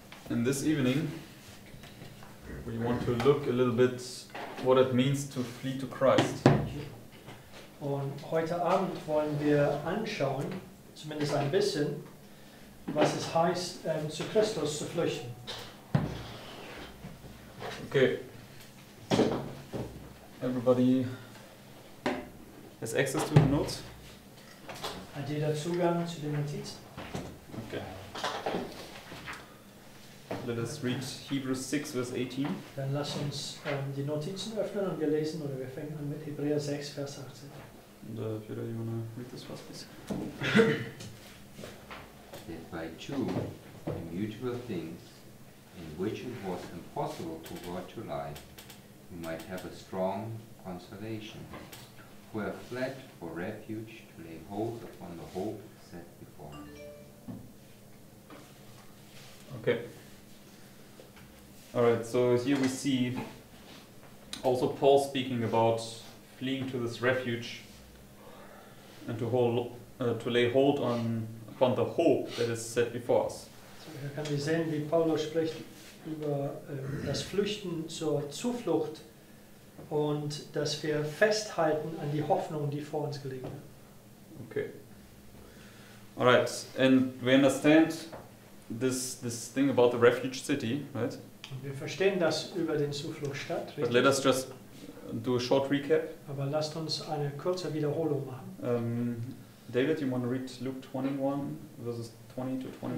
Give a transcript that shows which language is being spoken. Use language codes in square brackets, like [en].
[en] And this evening, we want to look a little bit what it means to flee to Christ. [de] Und heute Abend wollen wir anschauen, zumindest ein bisschen, was es heißt, zu Christus zu flüchten. [en] Okay. Everybody has access to the notes. [de] Hat jeder Zugang zu den Notizen? [en] Okay. Let us read Hebrews 6, verse 18. [de] Dann lass uns die Notizen öffnen und wir lesen, oder wir fangen an mit Hebräer 6, Vers 18. [en] And Peter, you want to read this verse, please? That by two immutable things, in which it was impossible for God to lie, you might have a strong consolation. Who have fled for refuge to lay hold upon the hope set before us. Okay. Alright, so here we see also Paul speaking about fleeing to this refuge and to lay hold upon the hope that is set before us. So here can we see [de] wie Paulus spricht über das Flüchten zur Zuflucht. Und dass wir festhalten an die Hoffnung, die vor uns gelegen hat. [en] Okay. Alright, and we understand this thing about the refuge city, right? [de] Und wir verstehen das über den Zufluchtsstadt, richtig? [en] But let us just do a short recap. [de] Aber lasst uns eine kurze Wiederholung machen. [en] David, you want to read Luke 21, verses 20 to 21?